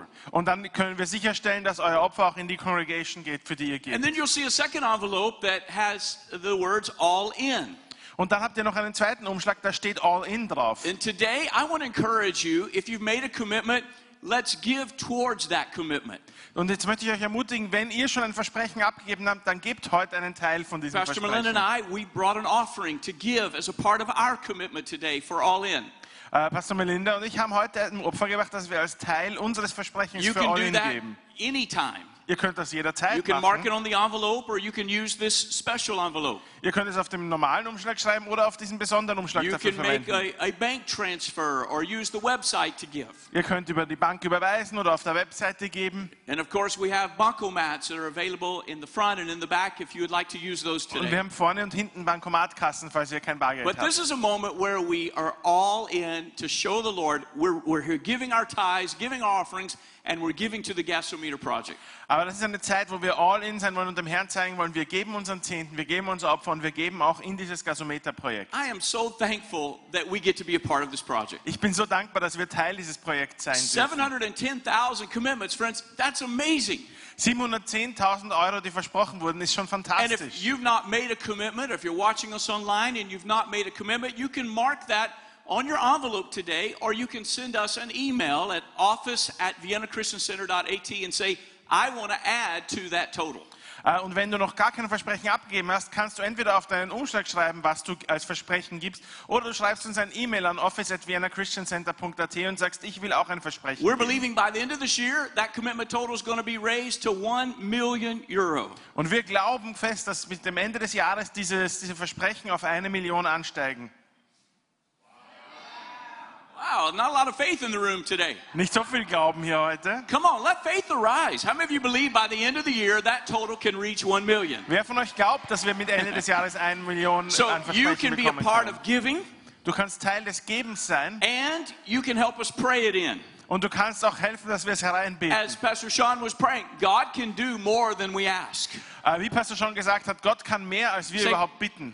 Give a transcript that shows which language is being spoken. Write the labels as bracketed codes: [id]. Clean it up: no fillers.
[de] Und dann können wir sicherstellen, dass euer Opfer auch in die Congregation geht, für die ihr gebt. [en] And then you'll see a second envelope that has the words all in. [de] Und dann habt ihr noch einen zweiten Umschlag, da steht all in drauf. [en] And today I want to encourage you, if you've made a commitment, let's give towards that commitment. [de] Und jetzt möchte ich euch ermutigen, wenn ihr schon ein Versprechen abgegeben habt, dann gebt heute einen Teil von diesem Versprechen. [en] Pastor Melinda and I, we brought an offering to give as a part of our commitment today for all in. [de] Pastor Melinda und ich haben heute ein Opfer gebracht, das wir als Teil unseres Versprechens [en] you [de] für all in geben. [en] Anytime. [de] Ihr könnt das jederzeit machen. [en] You can mark it on the envelope or you can use this special envelope. [de] Ihr könnt es auf dem normalen Umschlag schreiben oder auf diesen besonderen Umschlag dafür verwenden. [en] You can make a bank transfer or use the website to give. [de] Ihr könnt über die Bank überweisen oder auf der Webseite geben. [en] And of course we have bankomats that are available in the front and in the back if you would like to use those today. [de] Und wir haben vorne und hinten Bankomatkassen, falls ihr kein Bargeld habt. [en] But this is a moment where we are all in to show the Lord we're here giving our tithes, giving our offerings. And we're giving to the gasometer project. [de] Aber das ist eine Zeit, wo wir all in sein wollen und dem Herrn zeigen wollen, wir geben unseren Zehnten, wir geben unser Opfer und wir geben auch in dieses Gasometer-Projekt. [en] I am so thankful that we get to be a part of this project. [de] Ich bin so dankbar, dass wir Teil dieses Projekts sein dürfen. [en] 710,000 commitments, friends, that's amazing. [de] 710,000 Euro, die versprochen wurden, ist schon fantastisch. [en] And if you've not made a commitment, or if you're watching us online and you've not made a commitment, you can mark that on your envelope today, or you can send us an email at office@viennachristiancenter.at and say, I want to add to that total. [de] Und wenn du noch gar kein Versprechen abgegeben hast, kannst du entweder auf deinen Umschlag schreiben, was du als Versprechen gibst, oder du schreibst uns ein E-Mail an office@viennachristiancenter.at und sagst, ich will auch ein Versprechen. [en] We're believing by the end of this year, that commitment total is going to be raised to 1 million euro. [de] Und wir glauben fest, dass mit dem Ende des Jahres diese Versprechen auf 1 Million ansteigen. [en] Wow, not a lot of faith in the room today. [de] Nicht so viel Glauben hier heute. [en] Come on, let faith arise. How many of you believe by the end of the year that total can reach 1 million? [de] Wer von euch glaubt, dass wir mit Ende des Jahres 1 Million [en] So you can be a part of giving. [de] Du kannst Teil des Gebens sein. [en] And you can help us pray it in. [de] Und du kannst auch helfen, dass wir es hereinbeten. [en] As Pastor Sean was praying, God can do more than we ask. [de] Wie Pastor Sean gesagt hat, Gott kann mehr als wir überhaupt bitten.